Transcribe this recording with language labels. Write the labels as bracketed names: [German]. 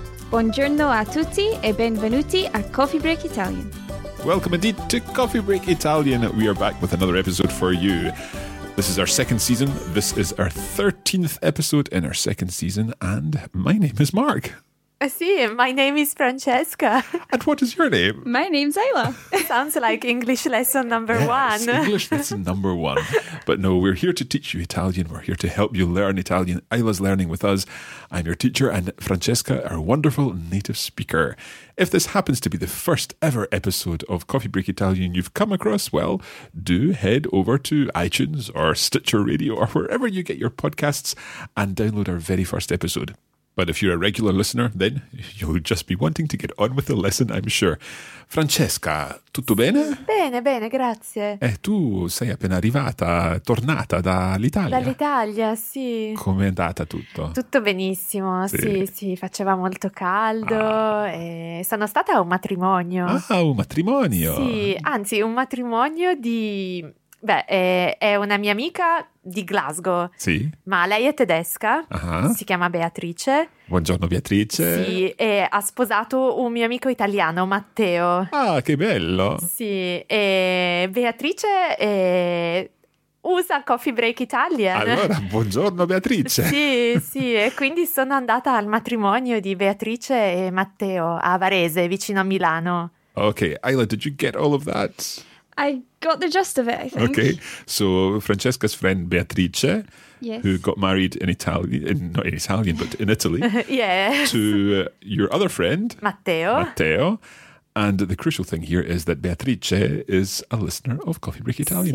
[Italian] Buongiorno a tutti e benvenuti a Coffee Break Italian. [English] Welcome indeed to Coffee Break Italian. We are back with another episode for you. This is our second season. This is our 13th episode in our second season. And my name is Mark. I see. My name is Francesca. And what is your name? My name's Ayla. Sounds like English lesson number one. English lesson number one. But no, we're here to teach you Italian. We're here to help you learn Italian. Ayla's learning with us. I'm your teacher and Francesca, our wonderful native speaker. If this happens to be the first ever episode of Coffee Break Italian you've come across, well, do head over to iTunes or Stitcher Radio or wherever you get your podcasts and download our very first episode. But if you're a regular listener, then you'll just be wanting to get on with the lesson, I'm sure. [Italian] Francesca, tutto bene? Bene, bene, grazie. Tu sei appena arrivata, tornata dall'Italia? Dall'Italia, sì. Com'è andata tutto? Tutto benissimo, sì, faceva molto caldo e sono stata a un matrimonio. Ah, un matrimonio? Sì, anzi, un matrimonio di... Beh, è una mia amica di Glasgow, sì. Ma lei è tedesca, si chiama Beatrice. Buongiorno Beatrice. Sì, e ha sposato un mio amico italiano, Matteo. Ah, che bello. Sì, e Beatrice usa Coffee Break Italian. Allora, buongiorno Beatrice. Sì, sì, e quindi sono andata al matrimonio di Beatrice e Matteo a Varese, vicino a Milano. [English] Ok, Ayla, did you get all of that? I got the gist of it, I think. Okay, so Francesca's friend Beatrice, yes, who got married in Italian, not in Italian, but in Italy, yes, to your other friend, Matteo. And the crucial thing here is that Beatrice is a listener of Coffee Break Italian.